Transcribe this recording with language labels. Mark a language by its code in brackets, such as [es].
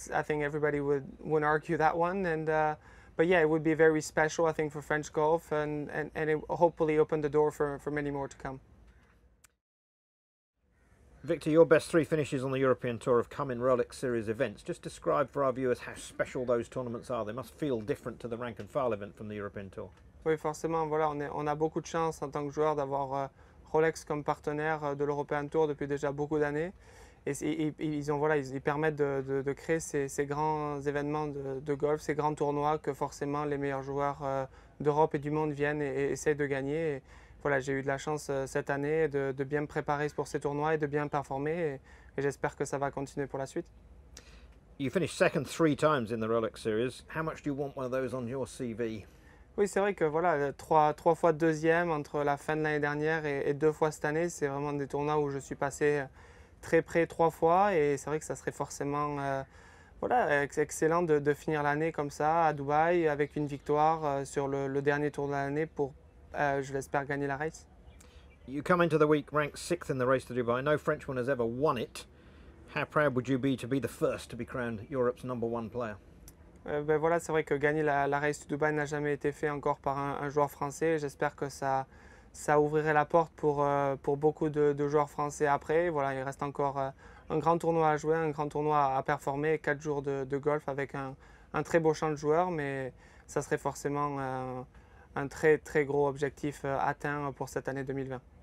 [en] I think everybody would argue that one. And but yeah, it would be very special, I think, for French golf, and it hopefully opened the door for many more to come. Victor, your best three finishes on the European Tour have come in Rolex Series events. Just describe for our viewers how special those tournaments are. They must feel different to the rank and file event from the European Tour. [fr] Oui, forcément. Voilà, on a beaucoup de chance en tant que joueur d'avoir Rolex comme partenaire de l'European Tour depuis déjà beaucoup d'années. Et ils ont, voilà, ils permettent de créer ces grands événements de golf, ces grands tournois que forcément les meilleurs joueurs d'Europe et du monde viennent et essayent de gagner. Et voilà, j'ai eu de la chance cette année de bien me préparer pour ces tournois et de bien performer. Et j'espère que ça va continuer pour la suite. [en] You finished second three times in the Rolex Series. How much do you want one of those on your CV? [fr] Oui, c'est vrai que voilà, trois fois deuxième entre la fin de l'année dernière et deux fois cette année, c'est vraiment des tournois où je suis passé très près trois fois, et c'est vrai que ça serait forcément excellent de finir l'année comme ça à Dubaï avec une victoire sur le dernier tour de l'année pour, je l'espère, gagner la race. [en] You come into the week ranked sixth in the race to Dubai. No Frenchman has ever won it. How proud would you be to be the first to be crowned Europe's number one player? [fr] Voilà, c'est vrai que gagner la race to Dubaï n'a jamais été fait encore par un joueur français. J'espère que ça ouvrirait la porte pour beaucoup de joueurs français après. Voilà, il reste encore un grand tournoi à jouer, un grand tournoi à performer, 4 jours de golf avec un très beau champ de joueurs, mais ça serait forcément un très très gros objectif atteint pour cette année 2020.